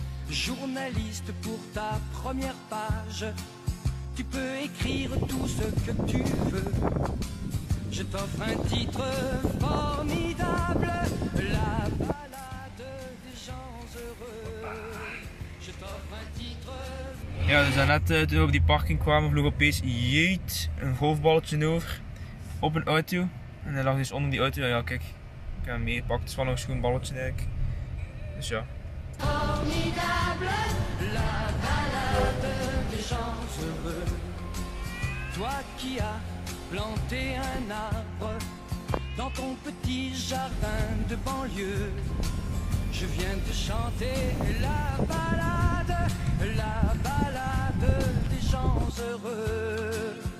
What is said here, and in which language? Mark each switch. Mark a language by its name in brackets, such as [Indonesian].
[French] Journaliste pour ta première page, tu peux écrire tout ce que tu veux. Je t'offre un titre formidable, la ballade des gens heureux. Je t'offre un titre. [Dutch] Ja, dus daarnet toen we op die parking kwamen, vloog opeens jeet een golfballetje over op een auto. En hij lag dus onder die auto. Ja, kijk, ik heb hem meegepakt. Het is wel nog een schoon balletje, denk ik. Dus ja. [French] Formidable, la ballade des gens heureux. Toi qui as planté un arbre dans ton petit jardin de banlieue. Je viens te chanter la ballade, la ballade des gens heureux.